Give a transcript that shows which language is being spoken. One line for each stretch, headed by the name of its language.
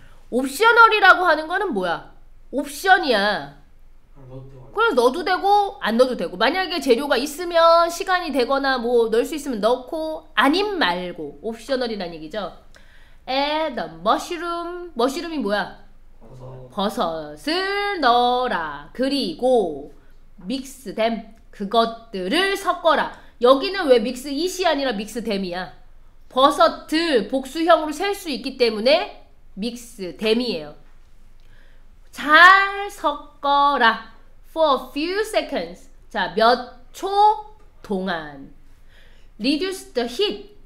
Korean: optional이라고 하는 거는 뭐야? 옵션이야. 그럼 넣어도 되고 안 넣어도 되고. 만약에 재료가 있으면 시간이 되거나 뭐 넣을 수 있으면 넣고 아님 말고 optional이라는 얘기죠.
English: add the mushroom. mushroom이 뭐야?
Korean: 버섯을 넣어라.
English: 그리고 mix them.
Korean: 그것들을 섞어라. 여기는 왜 mix it이 아니라 mix them이야? 버섯을 복수형으로 셀 수 있기 때문에 mix them이에요. 잘 섞어라. for a few seconds. 자, 몇 초 동안. reduce the heat.